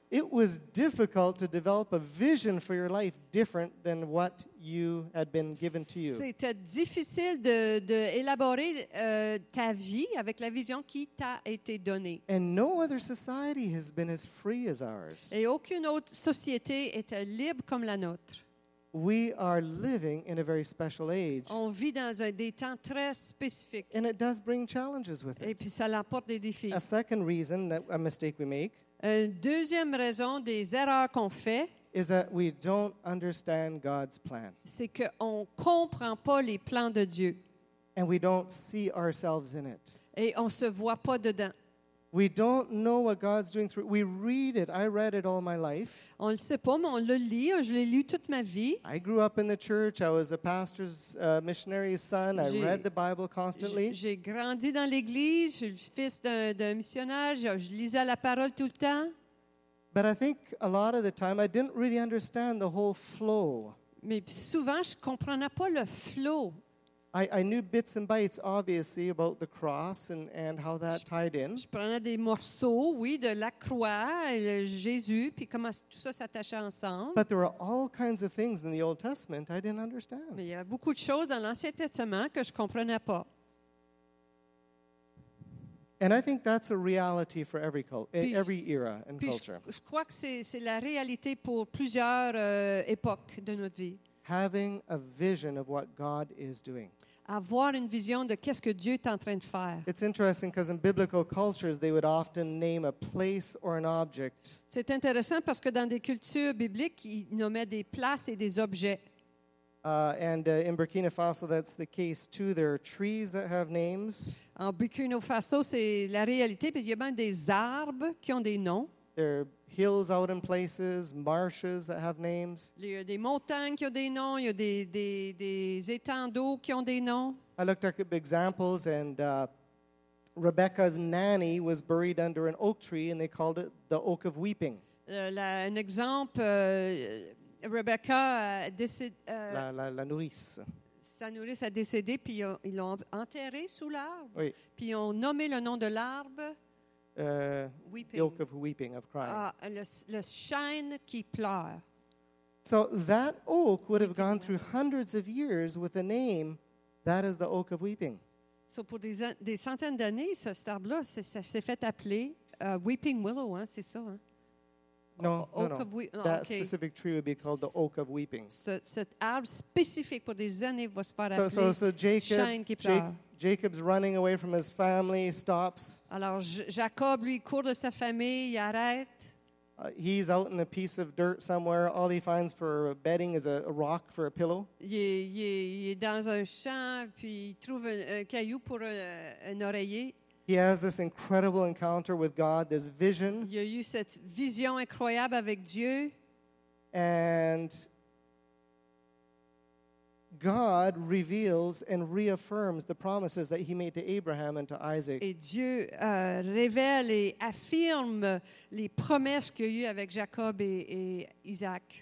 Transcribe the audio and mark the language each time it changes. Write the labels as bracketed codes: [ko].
[en] It was difficult to develop a vision for your life different than what you had been given to you. [fr] C'était difficile d'élaborer ta vie avec la vision qui t'a été donnée. [en] And no other society has been as free as ours. [fr] Et aucune autre société était libre comme la nôtre. [en] We are living in a very special age. [fr] On vit dans des temps très spécifiques. [en] And it does bring challenges with it. [fr] Et puis ça apporte des défis. [en] A second reason that a mistake we make. [fr] Une deuxième raison des erreurs qu'on fait. [en] Is that we don't understand God's plan. [fr] C'est qu'on ne comprend pas les plans de Dieu. [en] And we don't see ourselves in it. [fr] Et on ne se voit pas dedans. [en] We don't know what God's doing through. We read it. I read it all my life. [fr] On le sait pas, mais on le lit. Je l'ai lu toute ma vie. [en] I grew up in the church. I was a pastor's missionary's son. I read the Bible constantly. [fr] J'ai grandi dans l'église. Je suis le fils d'un missionnaire. Je lisais la parole tout le temps. [en] But I think a lot of the time I didn't really understand the whole flow. [fr] Mais souvent je comprenais pas le flow. [en] I knew bits and bytes, obviously, about the cross and how that tied in. [fr] Je prenais des morceaux, oui, de la croix, Jésus, puis comment tout ça s'attachait ensemble. [en] But there were all kinds of things in the Old Testament I didn't understand. [fr] Mais il y a beaucoup de choses dans l'Ancien Testament que je comprenais pas. [en] And I think that's a reality for every era and culture. [fr] Je crois que c'est la réalité pour plusieurs époques de notre vie. [en] Having a vision of what God is doing. [fr] Avoir une vision de qu'est-ce que Dieu est en train de faire. [en] It's interesting because in biblical cultures they would often name a place or an object. [fr] C'est intéressant parce que dans des cultures bibliques, ils nommaient des places et des objets. [en] And in Burkina Faso, that's the case too. There are trees that have names. [fr] En Burkina Faso, c'est la réalité, parce qu'il y a même des arbres qui ont des noms. [en] There are hills out in places, marshes that have names. [fr] Il y a des montagnes qui ont des noms. Il y a des étangs d'eau qui ont des noms. [en] I looked up examples, and Rebecca's nanny was buried under an oak tree, and they called it the Oak of Weeping. [fr] Un exemple. Rebecca a décédé. La nourrice. Sa nourrice a décédé, puis ils l'ont enterrée sous l'arbre. Oui. Puis ils ont nommé le nom de l'arbre. [en] Weeping. The Oak of Weeping, of crying. [fr] Le chêne qui pleure. [en] So that oak would have gone through hundreds of years with a name that is the Oak of Weeping. [fr] So pour des centaines d'années, cet arbre-là s'est fait appeler Weeping Willow, hein, c'est ça, hein? [en] That specific tree would be called the Oak of Weeping. [fr] Cet arbre spécifique pour des années va se faire appeler [en] Jacob's running away from his family, stops. [fr] Alors Jacob, lui, court de sa famille, il arrête. [en] He's out in a piece of dirt somewhere. All he finds for bedding is a rock for a pillow. [fr] Il est dans un champ, puis il trouve un caillou pour un oreiller. [en] He has this incredible encounter with God, this vision. [fr] Il a eu cette vision incroyable avec Dieu. [en] And God reveals and reaffirms the promises that he made to Abraham and to Isaac. [fr] Et Dieu révèle et affirme les promesses qu'il a eues avec Jacob et Isaac.